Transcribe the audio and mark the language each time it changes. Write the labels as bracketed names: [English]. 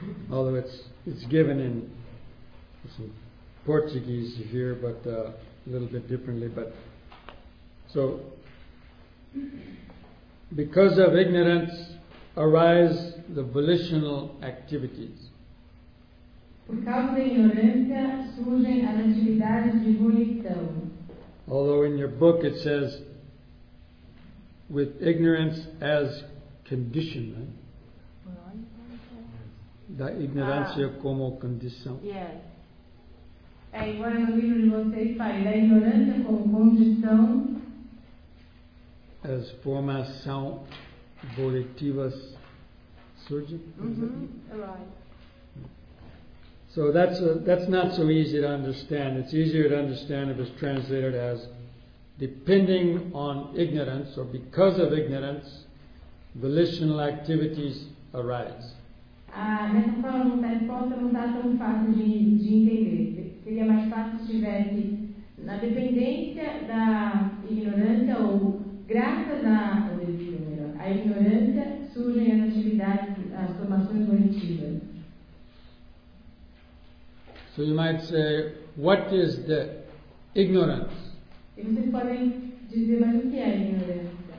[English] although it's given in some Portuguese here, but a little bit differently. But so, because of ignorance arise the volitional activities. [Portuguese] Por causa da ignorância surgem as atividades de volição. [English] Although in your book it says, with ignorance as condition, right? [Portuguese] Da ignorância como condição. [English] Yes. [Portuguese] Aí, agora no livro de vocês fala da ignorância como condição. As formação volitivas surge. [English] Mm-hmm. Right. So that's not so easy to understand. It's easier to understand if it's translated as depending on ignorance or because of ignorance, volitional activities arise. [Portuguese] Nessa forma de resposta não está tão fácil de entender. Seria mais fácil se tivesse na dependência da ignorância ou graças à ignorância surgem as atividades, as formações volitivas. [English] So you might say, what is the ignorance? [Portuguese] E vocês podem dizer, mas o que é a ignorância?